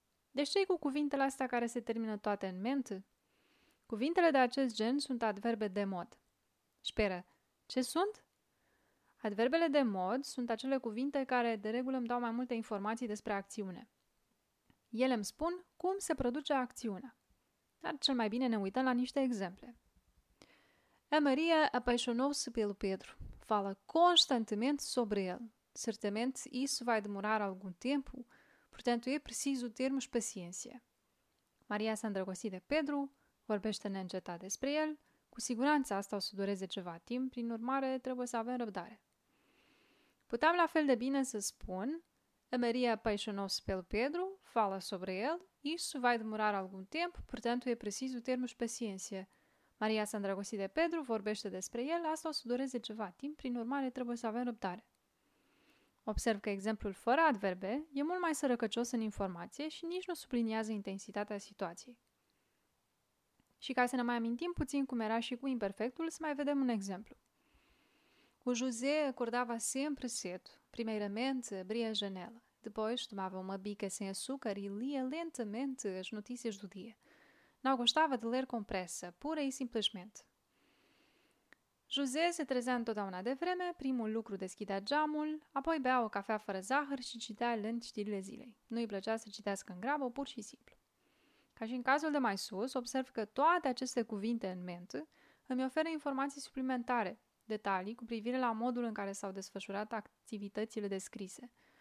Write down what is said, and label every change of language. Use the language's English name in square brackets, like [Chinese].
[Romanian] Deci ce-i cu cuvintele astea care se termină toate în mente? Cuvintele de acest gen sunt adverbe de mod. Speră, ce sunt? Adverbele de mod sunt acele cuvinte care de regulă îmi dau mai multe informații despre acțiune. Ele îmi spun cum se produce acțiunea. Dar cel mai bine ne uităm la niște exemple. [Portuguese] A Maria apaixonou-se pelo Pedro. Fala constantemente sobre ele. Certamente isso vai demorar algum tempo, portanto é preciso termos paciência. [Romanian] Maria s-a îndrăgostit de Pedro, vorbește neîncetat despre el. Cu siguranță asta o să dureze ceva timp, prin urmare trebuie să avem răbdare. Puteam la fel de bine să spun [Portuguese] A Maria apaixonou-se pelo Pedro, fala sobre ele. Isso vai demorar algum tempo, portanto é preciso termos paciência. [Romanian] Maria s-a îndrăgostit de Pedro, vorbește despre el, asta o să dureze ceva timp, prin urmare trebuie să avem răbdare. Observ că exemplul fără adverbe e mult mai sărăcăcios în informație și nici nu subliniază intensitatea situației. Și ca să ne mai amintim puțin cum era și cu imperfectul, să mai vedem un exemplu. [Portuguese] O José acordava sempre cedo, primeiramente abria a janela. Depois, tomava uma bica sem açúcar e lia lentamente as notícias do dia. Não gostava de ler com pressa, pura e simplesmente. [Romanian] José se trezea întotdeauna de vreme, primul lucru deschidea geamul, apoi bea o cafea fără zahăr și citea lent știrile zilei. Nu îi plăcea să citească în grabă, pur și simplu. Ca și în cazul de mai sus, observ că toate aceste cuvinte în mente îmi oferă informații suplimentare, detalii cu privire la modul în care s-au desfășurat activitățile descrise.